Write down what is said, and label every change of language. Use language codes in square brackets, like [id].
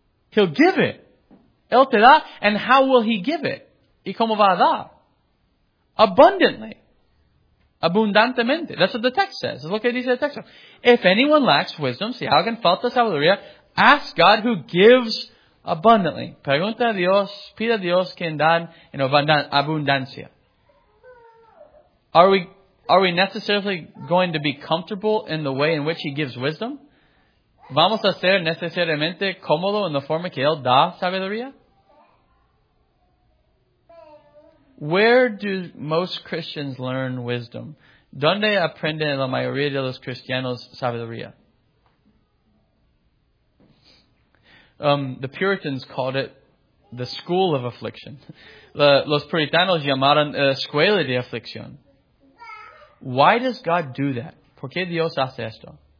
[en] He'll give it. [es] Él te da. [en] And how will he give it? [es] ¿Y cómo va a dar? [en] Abundantly. [es] Abundantemente. [en] That's what the text says. Look at the text. If anyone lacks wisdom, [es] si alguien falta sabiduría, [en] ask God who gives abundantly. [es] Pregunta a Dios, pida a Dios quien da en abundancia. [en] Are we are we necessarily going to be comfortable in the way in which He gives wisdom? [es] ¿Vamos a ser necesariamente cómodo en la forma que Él da sabiduría? [en] Where do most Christians learn wisdom? [es] ¿Dónde aprenden la mayoría de los cristianos sabiduría? [en] The Puritans called it the school of affliction. [es] Los puritanos llamaron escuela de aflicción. [en] Why does God do that? [es] ¿Por qué Dios hace esto?